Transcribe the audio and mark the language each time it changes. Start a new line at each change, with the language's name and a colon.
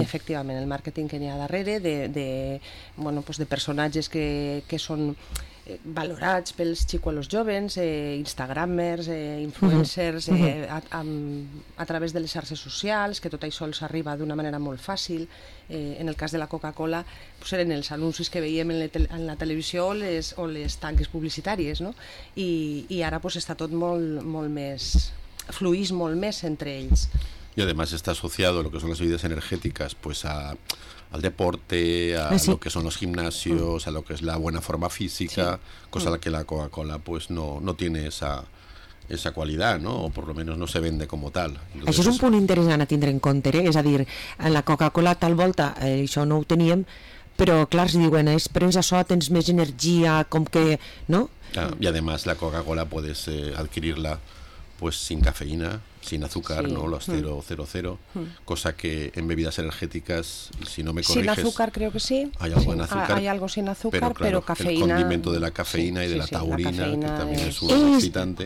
Catalan: Efectivament, el màrqueting que hi ha darrere de personatges que són valorats pels xicos, els joves, instagramers, influencers, a través de les xarxes socials, que tot això els arriba d'una manera molt fàcil. En el cas de la Coca-Cola, pues eren els anuncis que veiem en la televisió o les tanques publicitàries, no? I ara pues està tot molt més entre ells.
Spanish: Y además está asociado lo que son las bebidas energéticas pues al deporte, lo que son los gimnasios, a lo que es la buena forma física, cosa que la Coca-Cola pues no tiene esa cualidad, ¿no? O por lo menos no se vende como tal.
Catalan: Entonces, això és un punt interessant a tindre en compte, és a dir, en la Coca-Cola tal volta això no ho teníem, Però, clar, si diuen, es prens això, tens més energia, com que, no?
Spanish: Ah, y además la Coca-Cola puedes adquirirla pues sin cafeína, sin azúcar, sí. ¿No? Los 0, 0, 0, cosa que en bebidas energéticas, si no me corriges... Sin azúcar, creo que sí. Hay algo sí. En azúcar. Hay algo sin azúcar, pero, claro, pero cafeína... El condimento de la cafeína sí, y de sí, la taurina, sí, la cafeína, que también es un excitante.